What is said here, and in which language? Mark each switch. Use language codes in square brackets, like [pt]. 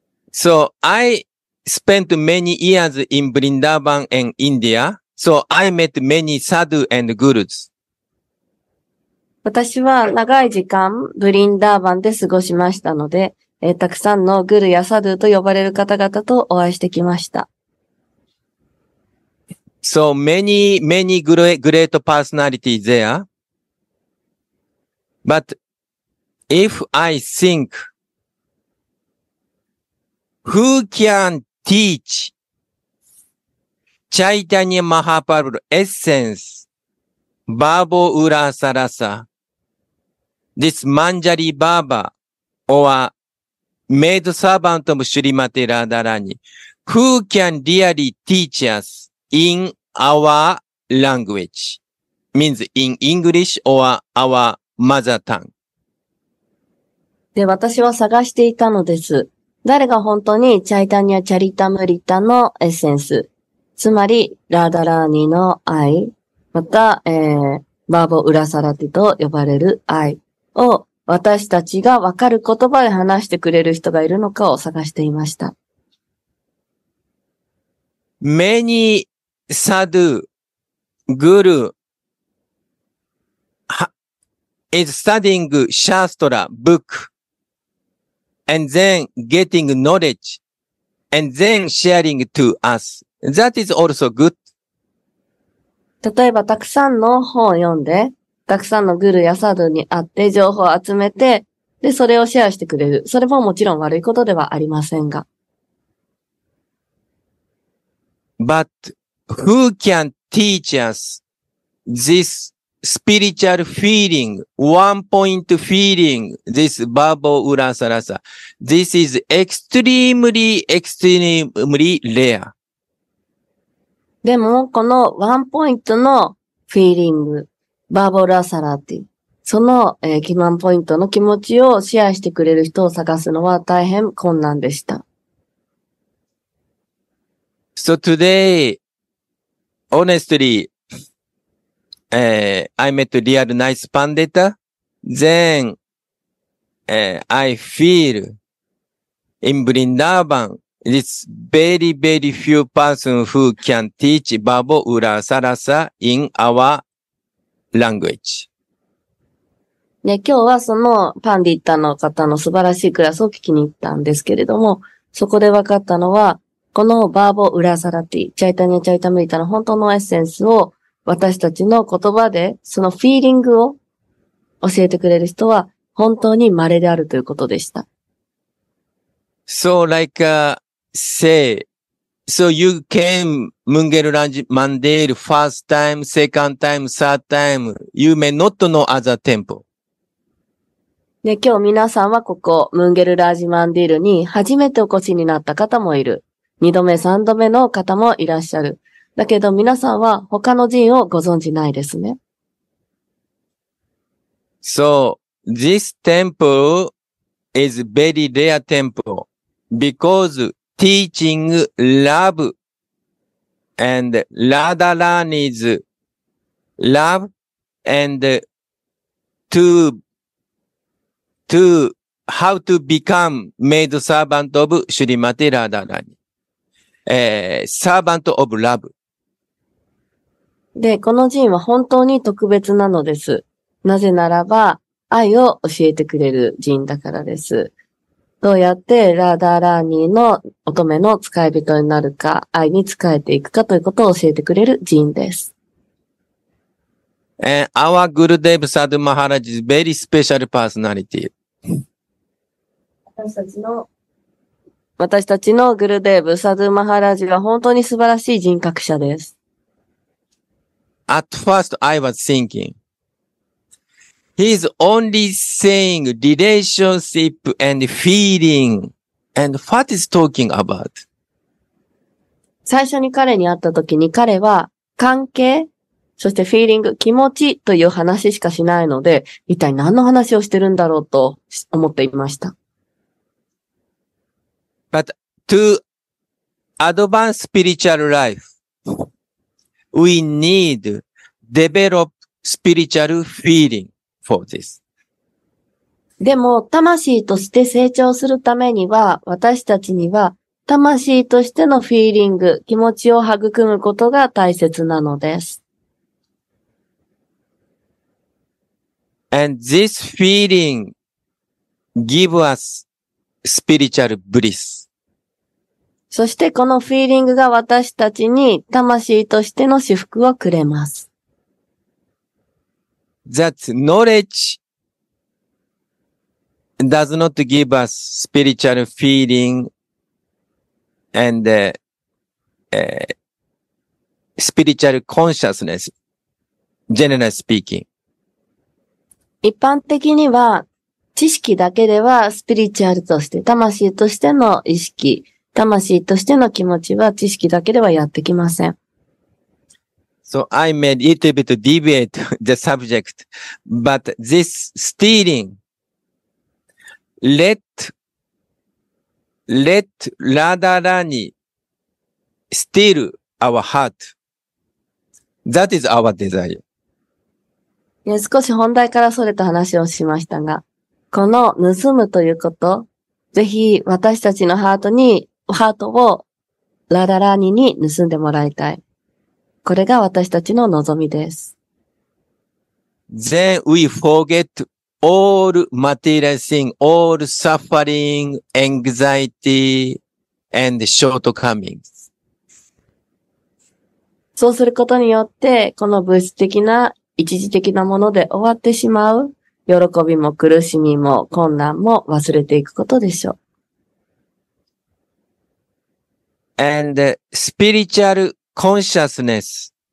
[en] So I spent many years in Vrindavan and India. So I met many sadhu and gurus. [ja] 私は長い時間、ブリンダーバンで過ごしましたので、たくさんのグルやサドゥと呼ばれる方々とお会いしてきました。 [en] So many, many great personalities there. But if I think, who can teach Chaitanya Mahaprabhu essence, Babo Ura Sarasa,This Manjari Baba or Maid Servant of Srimati Radharani, who can really teach us in our language? Means in English or our mother tongue. [ja] で、私は探していたのです。誰が本当にチャイタニア・チャリタムリタのエッセンス、つまりラダラーニの愛、また、バーボ・ウラサラティと呼ばれる愛、を私たちが分かる言葉で話してくれる人がいるのかを探していました。 [en] Many sadhu guru is studying shastra book and then getting knowledge and then sharing to us. That is also good. [ja] 例えばたくさんの本を読んで、たくさんのグルやサドに会って情報を集めて、で、それをシェアしてくれる。それももちろん悪いことではありませんが。 [en] But who can teach us this spiritual feeling, one point feeling, this Babo Ura Sarasa? This is extremely, extremely rare. [ja] でも、このワンポイントのフィーリング、バーボラサラティ。その、基盤ポイントの気持ちをシェアしてくれる人を探すのは大変困難でした。 [en] So today, honestly, I met a real nice pandita. Then, I feel in Vrindavan, it's very, very few person who can teach Babo Ura Sarasa in ourlanguage. [ja] ね、今日はそのパンディッタの方の素晴らしいクラスを聞きに行ったんですけれども、そこで分かったのは、このバーボ・ウラサラティ、チャイタニア・チャイタムリタの本当のエッセンスを私たちの言葉で、そのフィーリングを教えてくれる人は本当に稀であるということでした。 [en] So like So you came Munger Ranji Mandir first time, second time, third time. You may not know other temple. [ja] ね、今日皆さんはここ、ムンゲルラージマンディールに初めてお越しになった方もいる。二度目、三度目の方もいらっしゃる。だけど皆さんは他の寺院をご存じないですね。 [en] So, this temple is very rare temple because teaching love and Radharan is love and to how to become maid servant of Shrimati Radharani. Servant of love. [ja] で、この寺院は本当に特別なのです。なぜならば、愛を教えてくれる寺院だからです。どうやってラーダーラーニーの乙女の使い人になるか、愛に仕えていくかということを教えてくれる寺院です。 [en] And our Gurudev Sadhu Maharaj is very special personality. [ja] 私たちのグルデーブ・サドゥ・マハラジは本当に素晴らしい人格者です。 [en] At first, I was thinking, he is only saying relationship and feeling, and what is talking about? [ja] 最初に彼に会った時に彼は関係、そしてフィーリング、気持ちという話しかしないので、一体何の話をしてるんだろうと思っていました。 [en] But to advance spiritual life, we need develop spiritual feeling for this. [ja] でも、魂として成長するためには、私たちには、魂としてのフィーリング、気持ちを育むことが大切なのです。 [en] And this feeling give us spiritual bliss. [ja] そしてこのフィーリングが私たちに魂としての祝福をくれます。 [en] That knowledge does not give us spiritual feeling and spiritual consciousness, generally speaking. [ja] 一般的には知識だけではスピリチュアルとして魂としての意識、魂としての気持ちは知識だけではやってきません。 [en] So I made a little bit deviate the subject, but this stealing, let Radharani steal our heart. That is our desire. [ja] 少し本題からそれた話をしましたが、この盗むということ、ぜひ私たちのハートをラララーニに盗んでもらいたい。これが私たちの望みです。 [en] Then we forget all material things, all suffering, anxiety, and shortcomings. [ja] そうすることによって、この物質的な一時的なもので終わってしまう喜びも苦しみも困難も忘れていくことでしょう。 [en] And spiritual consciousness.